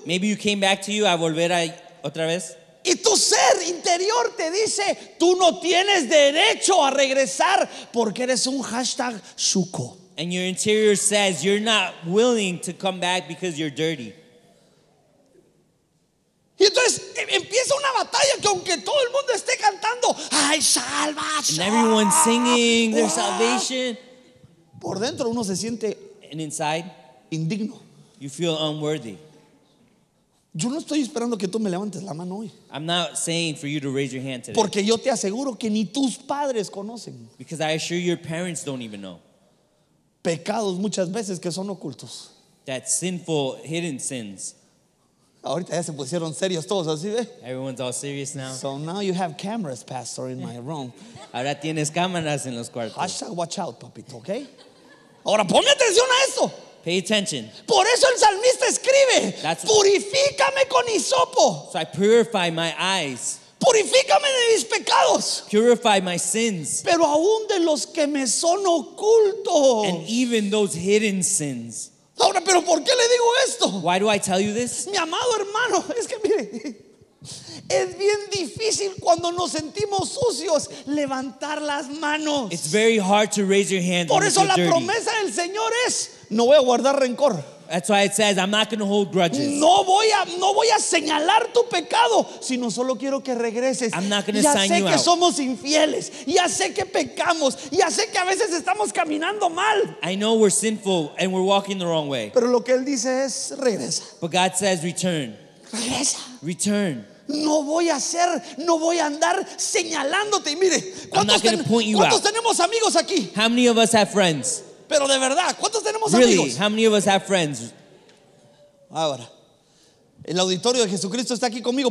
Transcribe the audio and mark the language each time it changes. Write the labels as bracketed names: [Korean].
[English] Maybe you came back to you [Spanish] a volver a otra vez. Y tu ser interior te dice, tú no tienes derecho a regresar porque eres un hashtag shuko. [English] And your interior says you're not willing to come back because you're dirty. [Spanish] Y entonces empieza una batalla que aunque todo el mundo esté cantando, ay, salvación. [English] And everyone's singing, there's salvation. [Spanish] Por dentro uno se siente, [English] and inside, [Spanish] indigno. [English] You feel unworthy. [Spanish] Yo no estoy esperando que tú me levantes la mano hoy. [English] I'm not saying for you to raise your hand today. [Spanish] Porque yo te aseguro que ni tus padres conocen. [English] Because I assure you, your parents don't even know. [Spanish] pecados muchas veces que son ocultos. [English] That sinful hidden sins. [Spanish] Ahorita ya se pusieron serios todos, ¿así ve? [English] Everyone's all serious now. So now you have cameras, pastor, in my room. [Spanish] Ahora tienes cámaras en los cuartos. Hashtag [English] watch out, [Spanish] papito, ¿okay? Ahora ponme atención a esto. [English] Pay attention. [Spanish] Por eso el salmista escribe, purifícame con hisopo. [English] So I purify my eyes. [Spanish] Purifícame de mis pecados. [English] Purify my sins. [Spanish] Pero aún de los que me son ocultos. [English] And even those hidden sins. [Spanish] Ahora, ¿pero por qué le digo esto? [English] Why do I tell you this? [Spanish] Mi amado hermano, es que mire, es bien difícil cuando nos sentimos sucios levantar las manos. [English] It's very hard to raise your hand. [Spanish] Por eso la [English] dirty. [Spanish] Promesa del Señor es, no voy a guardar rencor. [English] That's why it says, I'm not going to hold grudges. [Spanish] No voy a señalar tu pecado, sino solo quiero que regreses. [English] I'm not going to sign you out. [Spanish] Ya sé que somos infieles. Ya sé que pecamos. Ya sé que a veces estamos caminando mal. [English] I know we're sinful and we're walking the wrong way. [Spanish] Pero lo que Él dice es, regresa. [English] But God says, return. [Spanish] Regresa. [English] Return. [Spanish] No voy a hacer, no voy a andar señalándote. Y mire, ¿cuántos tenemos amigos aquí? [English] How many of us have friends? [Spanish] Pero de verdad, ¿cuántos tenemos [English] really, [Spanish] amigos? [English] How many of us have friends? [Spanish] Ahora, el auditorio de Jesucristo está aquí conmigo.